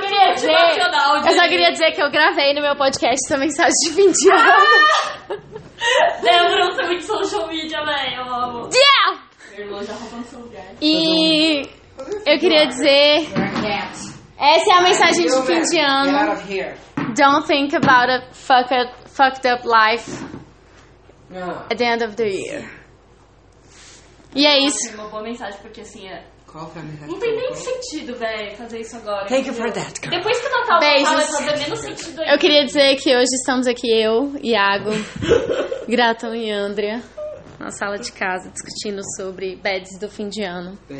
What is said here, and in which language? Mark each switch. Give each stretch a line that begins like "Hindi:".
Portuguese: Eu só queria dizer que eu gravei no meu podcast essa mensagem de fim de ano. Lembrança, é muito social media, velho. Eu amo.
English: Yeah!
Portuguese: Já e eu queria dizer, essa é a mensagem de fim de ano.
English: Don't think about a fucked up life at the end of the year.
Portuguese: E é isso. Uma boa mensagem, porque assim é. Não tem nem sentido, velho, fazer isso agora.
English: Thank you for that, girl.
Portuguese: Depois que o Natal passar, vai fazer menos sentido ainda. Eu queria dizer que hoje estamos aqui eu, Iago, Gratão e Ândrea. Na sala de casa, discutindo sobre beds do fim de ano.